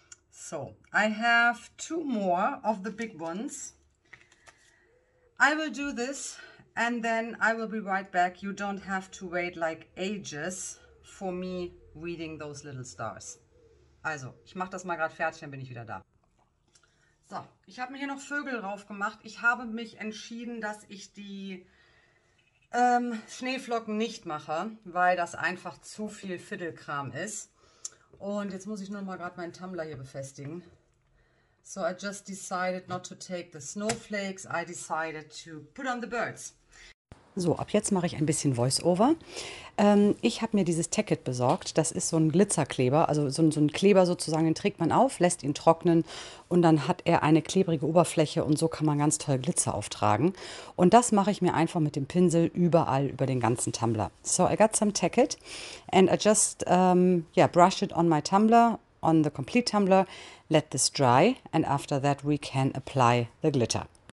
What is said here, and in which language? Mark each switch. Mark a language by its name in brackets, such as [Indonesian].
[English] So, I have two more of the big ones. I will do this and then I will be right back. You don't have to wait like ages for me reading those little stars. [German] Also, ich mache das mal gerade fertig, dann bin ich wieder da. So, ich habe mir hier noch Vögel drauf gemacht. Ich habe mich entschieden, dass ich die Schneeflocken nicht mache, weil das einfach zu viel Fiddelkram ist. Und jetzt muss ich nur mal gerade meinen Tumbler hier befestigen. [English] So, I just decided not to take the snowflakes. I decided to put on the birds. [German] So, ab jetzt mache ich ein bisschen Voice-Over. Ich habe mir dieses Tacket besorgt. Das ist so ein Glitzerkleber, also so ein Kleber sozusagen, den trägt man auf, lässt ihn trocknen und dann hat er eine klebrige Oberfläche und so kann man ganz toll Glitzer auftragen. Und das mache ich mir einfach mit dem Pinsel überall über den ganzen Tumbler. [English] So, I got some Tacket and I just brush it on my Tumbler, on the complete Tumbler, let this dry and after that we can apply the glitter.